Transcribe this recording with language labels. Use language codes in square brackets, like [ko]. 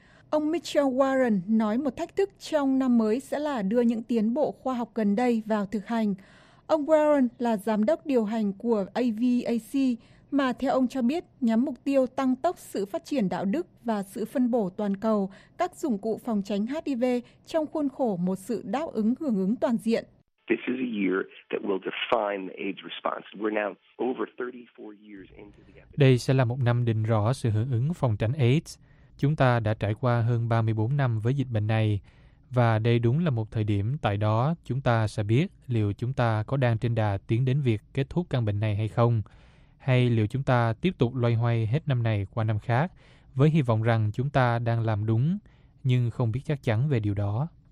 [vi] Ông Mitchell Warren nói một thách thức trong năm mới sẽ là đưa những tiến bộ khoa học gần đây vào thực hành. Ông Warren là giám đốc điều hành của AVAC mà theo ông cho biết nhắm mục tiêu tăng tốc sự phát triển đạo đức và sự phân bổ toàn cầu các dụng cụ phòng tránh HIV trong khuôn khổ một sự đáp ứng hưởng ứng toàn diện. [en] This is a year that will define the AIDS response. We're now over 34 years into the epidemic. [vi] Đây sẽ là một năm định rõ sự hưởng ứng phòng tránh AIDS. Chúng ta đã trải qua hơn 34 năm với dịch bệnh này, và đây đúng là một thời điểm tại đó chúng ta sẽ biết liệu chúng ta có đang trên đà tiến đến việc kết thúc căn bệnh này hay không, hay liệu chúng ta tiếp tục loay hoay hết năm này qua năm khác với hy vọng rằng chúng ta đang làm đúng, nhưng không biết chắc chắn về điều đó.